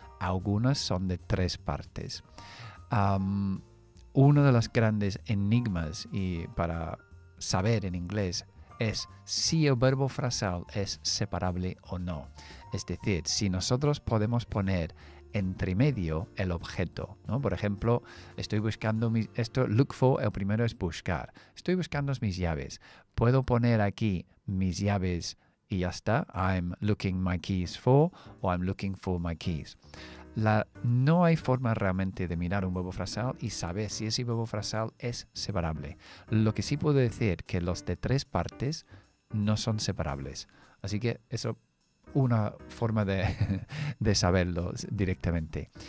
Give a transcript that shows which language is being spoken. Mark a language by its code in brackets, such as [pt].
[es] Algunas son de 3 partes. Uno de los grandes enigmas y para saber en inglés es si el verbo frasal es separable o no. Es decir, si nosotros podemos poner entre medio el objeto, ¿no? Por ejemplo, estoy buscando look for, el primero es buscar. Estoy buscando mis llaves. Puedo poner aquí mis llaves y ya está. [en] I'm looking my keys for o I'm looking for my keys. [es] No hay forma realmente de mirar un verbo frasal y saber si ese verbo frasal es separable. Lo que sí puedo decir que los de 3 partes no son separables. Así que eso es una forma de saberlo directamente.